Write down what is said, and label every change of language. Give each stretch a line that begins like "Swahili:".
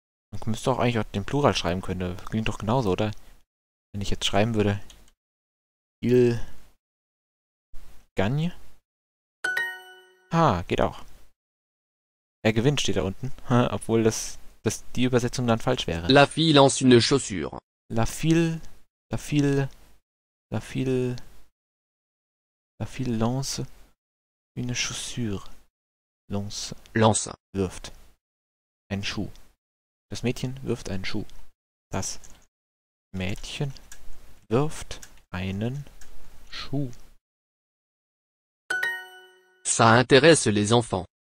German: Man müsste auch eigentlich auch den Plural schreiben können. Das klingt doch genauso, oder? Wenn ich jetzt schreiben würde.
French: Il gagne.
German: Geht auch. Er gewinnt, steht da unten. Obwohl das die Übersetzung dann falsch wäre.
French: La fille lance une chaussure. La fille lance une chaussure.
German: Lance. Wirft. Ein Schuh. Das Mädchen wirft einen Schuh. Das Mädchen wirft einen Schuh.
French: Ça intéresse les enfants.